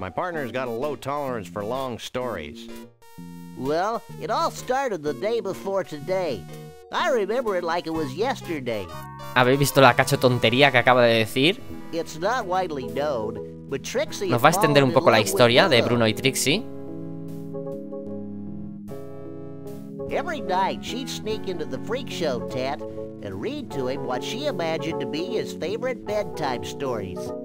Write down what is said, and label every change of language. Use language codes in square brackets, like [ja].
[en] My partner's got a low tolerance for long stories. Well, it all started the day before today. I remember it like it was yesterday. [es] ¿Habéis visto la cacho tontería que acaba de decir? [en] It's not widely known, but Trixie. [es] Nos va a extender un poco la historia de Bruno y Trixie. [en] Every night she'd sneak into the freak show tent and read to him what she imagined to be his favorite bedtime stories.